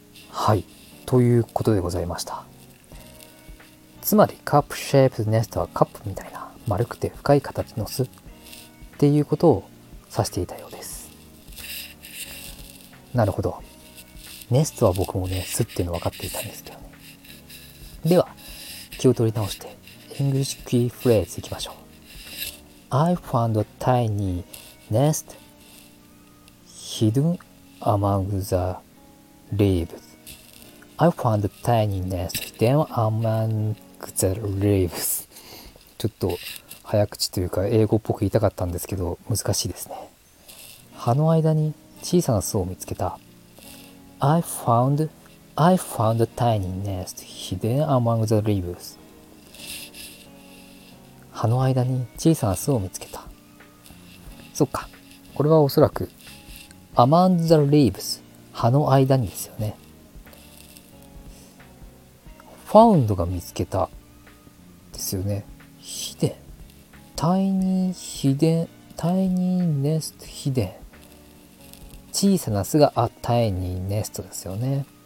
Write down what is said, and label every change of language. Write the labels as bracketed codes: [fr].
[ja] はい、ということでございました。つまりカップシェイプとネストはカップみたいな丸くて深い形の巣っていうことを指していたようです。なるほど、ネストは僕もね、巣っていうの分かっていたんですけどね。では気を取り直してイングリッシュキーフレーズいきましょう。 [en] I found a tiny nest hidden among the leaves. I found a tiny nest hidden among the leaves. [ja] ちょっと早口というか英語っぽく言いたかったんですけど難しいですね。葉の間に小さな巣を見つけた。 [en] I found a tiny nest hidden among the leaves. 葉 [ja] 葉の間に小さな巣を見つけた。そっか、これはおそらく [en] Amongst the leaves、 [ja] 葉の間にですよね。 Found が見つけたですよね。Hidden、 [en] Tiny Hidden、Tiny Nest Hidden、 [ja] 小さな巣があ、Tiny Nest ですよね。